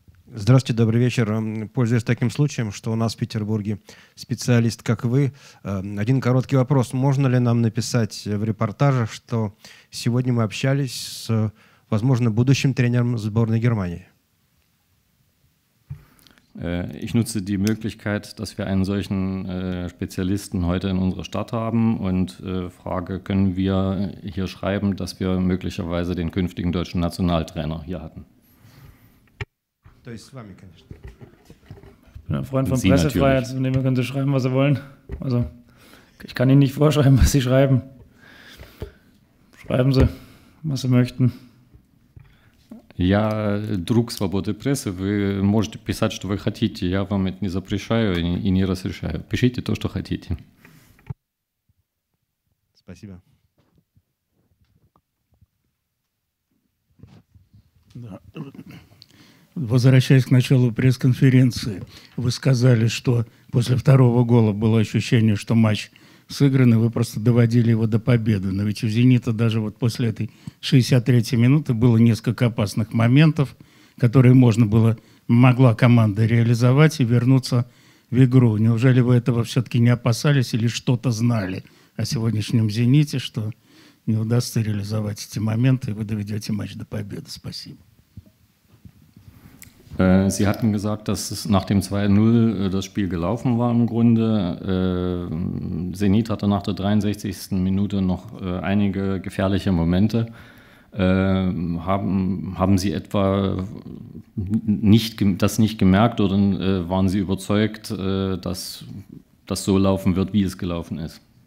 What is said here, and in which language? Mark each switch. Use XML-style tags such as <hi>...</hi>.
<ru>Здравствуйте, добрый вечер. Пользуясь таким случаем, что у нас в Петербурге специалист, как вы, один короткий вопрос. Можно ли нам написать в репортажах, что сегодня мы общались с, возможно, будущим тренером сборной Германии?</ru> <de>Ich nutze die Möglichkeit, dass wir einen solchen Spezialisten heute in unserer Stadt haben und frage, können wir hier schreiben, dass wir möglicherweise den künftigen deutschen Nationaltrainer hier hatten? Ich bin ein Freund von Pressefreiheit, von dem können Sie schreiben, was Sie wollen. Also, ich kann Ihnen nicht vorschreiben, was Sie schreiben. Schreiben Sie, was Sie möchten.</de> <ru>Я друг свободы прессы. Вы можете писать, что вы хотите. Я вам это не запрещаю и не разрешаю. Пишите то, что хотите. Спасибо. Да. Возвращаясь к началу пресс-конференции, вы сказали, что после второго гола было ощущение, что матч сыгран, и вы просто доводили его до победы. Но ведь у «Зенита» даже вот после этой 63-й минуты было несколько опасных моментов, которые можно было, могла команда реализовать и вернуться в игру. Неужели вы этого все-таки не опасались или что-то знали о сегодняшнем «Зените», что не удастся реализовать эти моменты, и вы доведете матч до победы? Спасибо.</ru> <de>Sie hatten gesagt, dass es nach dem 2-0 das Spiel gelaufen war im Grunde. Zenit hatte nach der 63. Minute noch einige gefährliche Momente. Haben Sie etwa das nicht gemerkt oder waren Sie überzeugt, dass das so laufen wird, wie es gelaufen ist?</de>